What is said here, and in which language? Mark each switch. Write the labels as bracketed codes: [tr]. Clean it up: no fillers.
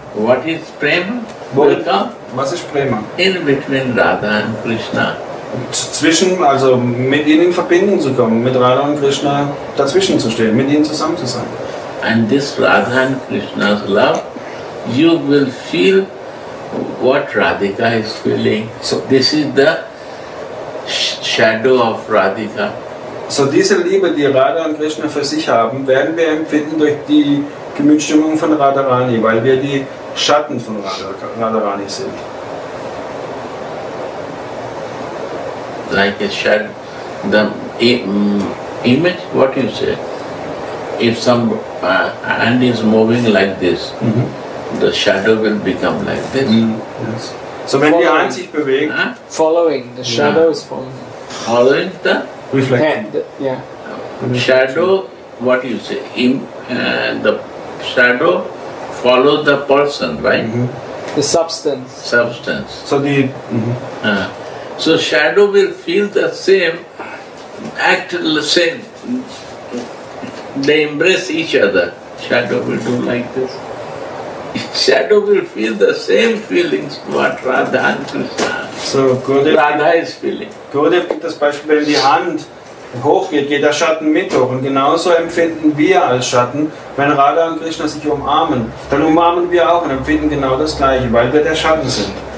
[en] What is Prema? [de] Was ist Prema? [en] In between Radha and Krishna. [de] Zwischen, also mit ihnen in Verbindung zu kommen, mit Radha und Krishna dazwischen zu stehen, mit ihnen zusammen zu sein. [en] And this Radha and Krishna's love, you will feel what Radhika is feeling. So this is the shadow of Radhika. [de] So diese Liebe, die Radha und Krishna für sich haben, werden wir empfinden durch die Gemütsstimmung von Radharani, weil wir die Schatten von Radharani sind. [en] Like a shadow, the image, what you say, if some hand is moving like this, mm-hmm. The shadow will become like this. Mm-hmm. Yes. So when the hand [de] sich bewegt, [en] following, the shadow is following. Following the reflection. Hand, yeah. Shadow, what you say, the shadow follows the person, right? Mm-hmm. The substance. Substance. So the... Mm-hmm. So shadow will feel the same, act the same. They embrace each other. Shadow will do like this. Shadow will feel the same feelings what Radha and Krishna. So Gurudev, Radha is feeling. [de] Gurudev gibt das Beispiel, wenn die Hand hochgeht, geht der Schatten mit hoch. Und genauso empfinden wir als Schatten, wenn Radha und Krishna sich umarmen. Dann umarmen wir auch und empfinden genau das Gleiche, weil wir der Schatten sind.